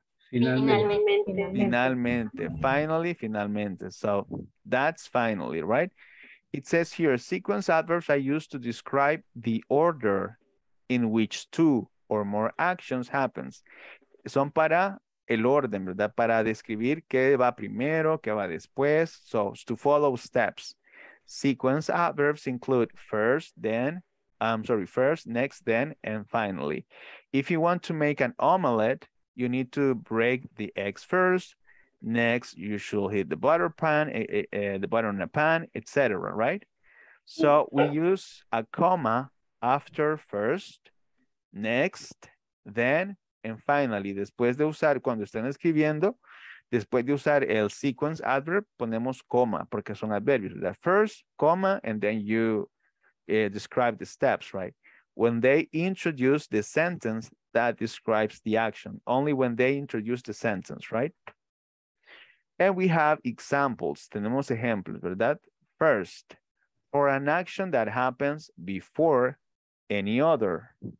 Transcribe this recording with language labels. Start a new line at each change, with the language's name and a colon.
Spanish: Finalmente.
English: Finalmente. Finally, finalmente. So that's finally, right? It says here, sequence adverbs are used to describe the order in which two or more actions happens.
Spanish: Son para el orden, ¿verdad? Para describir qué va primero, qué va después.
English: So, to follow steps. Sequence adverbs include first, then, first, next, then, and finally. If you want to make an omelette, you need to break the eggs first. Next, you should hit the butter pan, the butter in a pan, etc., right? So, we use a comma after first, next, then, and finally.
Spanish: Después de usar, cuando están escribiendo, después de usar el sequence adverb, ponemos coma, porque son adverbios.
English: The first, comma, and then you describe the steps, right? When they introduce the sentence that describes the action, only when they introduce the sentence, right? And we have examples,
Spanish: tenemos ejemplos, ¿verdad?
English: First, for an action that happens before any other.